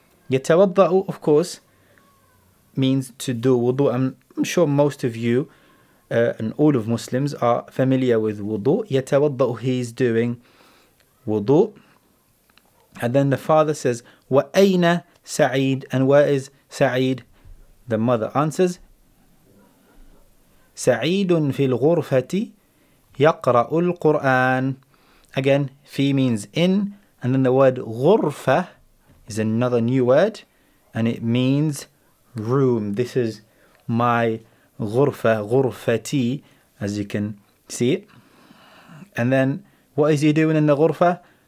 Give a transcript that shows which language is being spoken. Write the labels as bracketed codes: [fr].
[en] Yatawadda'u, of course, means to do wudu. I'm sure most of you and all of Muslims are familiar with wudu. [ar] يتوضأ, [en] he's doing wudu. And then the father says, [ar] وأين سعيد? [en] And where is سعيد? The mother answers, [ar] سعيد في الغرفة يقرأ القرآن. [en] Again, في means in. And then the word غرفة is another new word, and it means room. This is my غرفه, غرفتي, as you can see it. And then what is he doing in the غرفه?